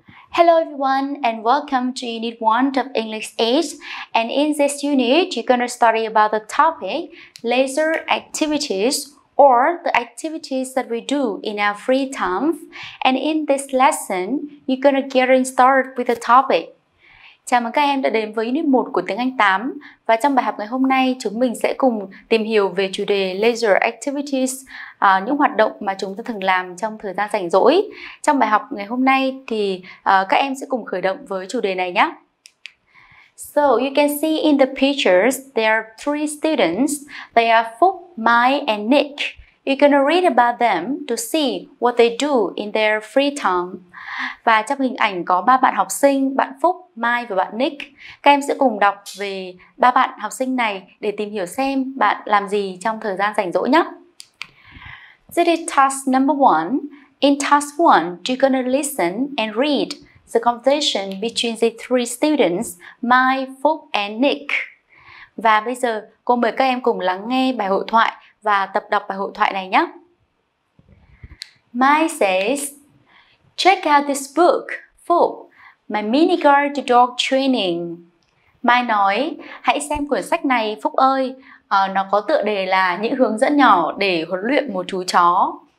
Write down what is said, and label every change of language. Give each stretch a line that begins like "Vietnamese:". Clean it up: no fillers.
English: Hello everyone and welcome to Unit 1 of English 8. And in this unit, you're going to study about the topic leisure activities or the activities that we do in our free time. And in this lesson, you're going to get started with the topic.
Vietnamese: Chào mừng các em đã đến với Unit 1 của tiếng Anh 8. Và trong bài học ngày hôm nay, chúng mình sẽ cùng tìm hiểu về chủ đề leisure activities, những hoạt động mà chúng ta thường làm trong thời gian rảnh rỗi. Trong bài học ngày hôm nay thì các em sẽ cùng khởi động với chủ đề này nhé.
English: So you can see in the pictures, there are three students. They are Phúc, Mai and Nick. You're gonna read about them to see what they do in their free time.
Vietnamese: Và trong hình ảnh có ba bạn học sinh, bạn Phúc, Mai và bạn Nick. Các em sẽ cùng đọc về ba bạn học sinh này để tìm hiểu xem bạn làm gì trong thời gian rảnh rỗi nhé.
English: This is task number one. In task one, you're gonna listen and read the conversation between the three students, Mai, Phúc and Nick.
Vietnamese: Và bây giờ cô mời các em cùng lắng nghe bài hội thoại và tập đọc bài hội thoại này nhé.
English: Mai says, check out this book, Phúc, my mini guard dog training.
Vietnamese: Mai nói, hãy xem quyển sách này, Phúc ơi. Nó có tựa đề là những hướng dẫn nhỏ để huấn luyện một chú chó.